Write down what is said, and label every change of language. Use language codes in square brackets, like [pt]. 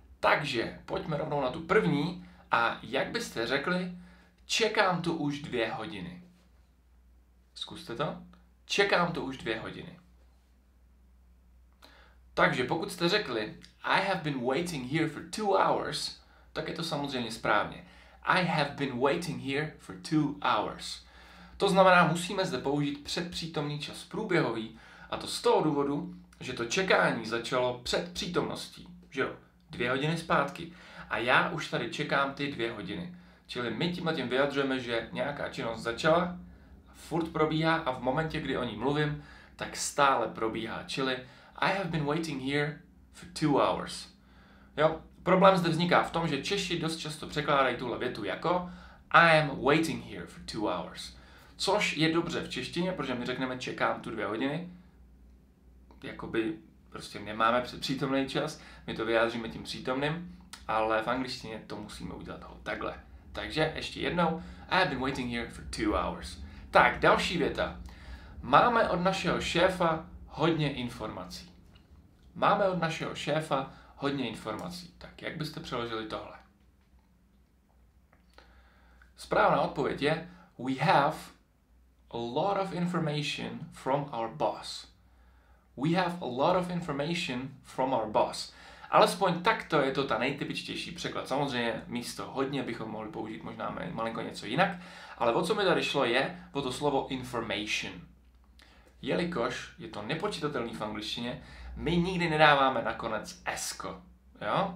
[cs] Takže pojďme rovnou na tu první a jak byste řekli, čekám tu už 2 hodiny. Zkuste to. Čekám tu už 2 hodiny. Takže pokud jste řekli, [en] I have been waiting here for 2 hours, [cs] tak je to samozřejmě správně. [en] I have been waiting here for 2 hours. [cs] To znamená, musíme zde použít předpřítomný čas průběhový a to z toho důvodu, že to čekání začalo před přítomností, že jo? 2 hodiny zpátky. A já už tady čekám ty 2 hodiny. Čili my tímhle tím vyjadřujeme, že nějaká činnost začala, furt probíhá a v momentě, kdy o ní mluvím, tak stále probíhá. Čili [en] I have been waiting here for 2 hours. [cs] Jo, problém zde vzniká v tom, že Češi dost často překládají tuhle větu jako [en] I am waiting here for 2 hours. [cs] Což je dobře v češtině, protože my řekneme čekám tu 2 hodiny. Jakoby prostě nemáme přítomný čas, my to vyjádříme tím přítomným, ale v angličtině to musíme udělat takhle. Takže ještě jednou, [en] I have been waiting here for 2 hours. [cs] Tak, další věta. Máme od našeho šéfa hodně informací. Máme od našeho šéfa hodně informací. Tak, jak byste přeložili tohle? Správná odpověď je, [en] we have a lot of information from our boss. We have a lot of information from our boss. [cs] Alespoň takto je to ta nejtypičtější překlad. Samozřejmě místo hodně bychom mohli použít možná malinko něco jinak, ale o co mi tady šlo je o to slovo information. Jelikož je to nepočítatelný v angličtině, my nikdy nedáváme nakonec esko. Jo?